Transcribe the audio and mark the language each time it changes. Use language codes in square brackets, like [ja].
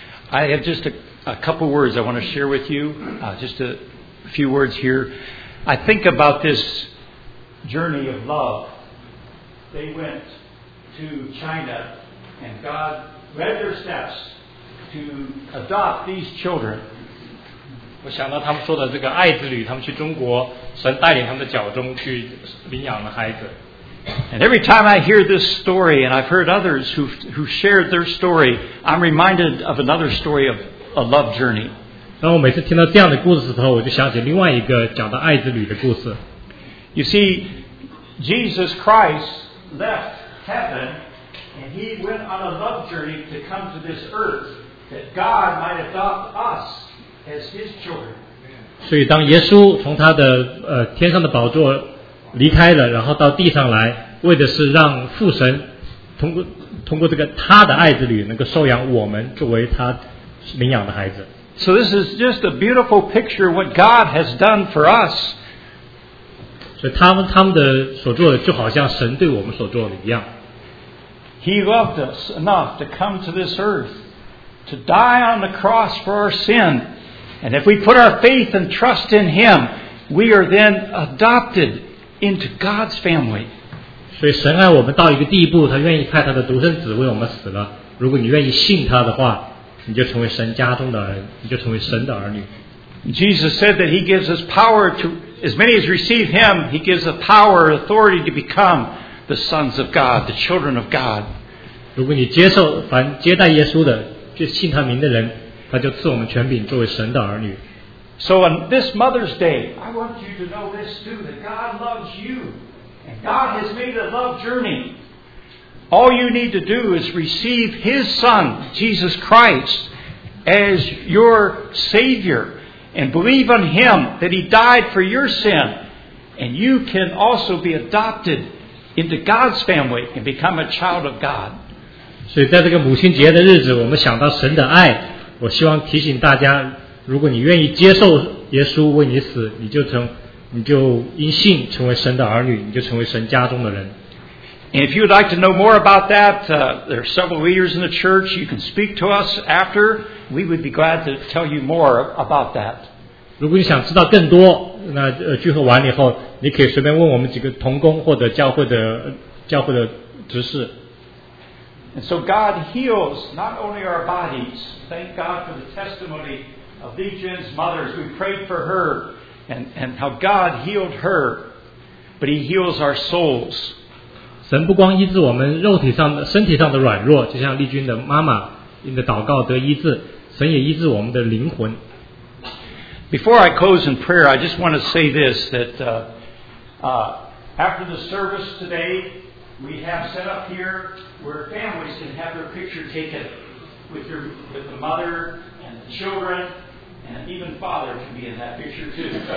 [en] I have just a couple words I want to share with you. Just a few words here. I think about this journey of love. They went to China, and God led their steps to adopt these children. [zh] 我想到他们说的这个爱之旅，他们去中国，神带领他们的脚中去领养了孩子。 [en] And every time I hear this story, and I've heard others who shared their story, I'm reminded of another story of a love journey. [zh] 当我每次听到这样的故事的时候，我就想起另外一个讲到爱之旅的故事。 [en] You see, Jesus Christ left heaven, and he went on a love journey to come to this earth, that God might adopt us as his children. [zh] 所以当耶稣从他的天上的宝座离开了，然后到地上来，为的是让父神通过这个他的爱子女能够收养我们作为他领养的孩子。 [en] So this is just a beautiful picture of what God has done for us. [zh] 所以他们的所做的就好像神对我们所做的一样。 [en] He loved us enough to come to this earth to die on the cross for our sin. And if we put our faith and trust in Him, we are then adopted into God's family. [zh] 所以神爱我们到一个地步，他愿意派他的独生子为我们死了。如果你愿意信他的话，你就成为神家中的人，你就成为神的儿女。 [en] Jesus said that He gives us power to as many as receive Him, He gives the power, authority to become the sons of God, the children of God. [zh] 如果你接受凡接待耶稣的，就信他名的人，他就赐我们权柄作为神的儿女。 [en] So on this Mother's Day, I want you to know this too, that God loves you. And God has made a love journey. All you need to do is receive His Son, Jesus Christ, as your Savior. And believe on Him that He died for your sin. And you can also be adopted into God's family and become a child of God. [zh] 所以在这个母亲节的日子，我们想到神的爱，我希望提醒大家，如果你愿意接受耶稣为你死，你就因信成为神的儿女，你就成为神家中的人。 [en] And if you would like to know more about that, there are several leaders in the church. You can speak to us after. We would be glad to tell you more about that. [zh] 如果你想知道更多，那聚会完了以后，你可以随便问我们几个同工或者教会的执事。 [en] And so God heals not only our bodies. Thank God for the testimony of Lee Jin's mothers. We prayed for her and how God healed her, but He heals our souls. [zh] 神不光医治我们肉体上的身体上的软弱，就像丽君的妈妈因着祷告得医治，神也医治我们的灵魂。 [en] Before I close in prayer, I just want to say this, that after the service today, we have set up here where families can have their picture taken with the mother and the children, and even father can be in that picture too.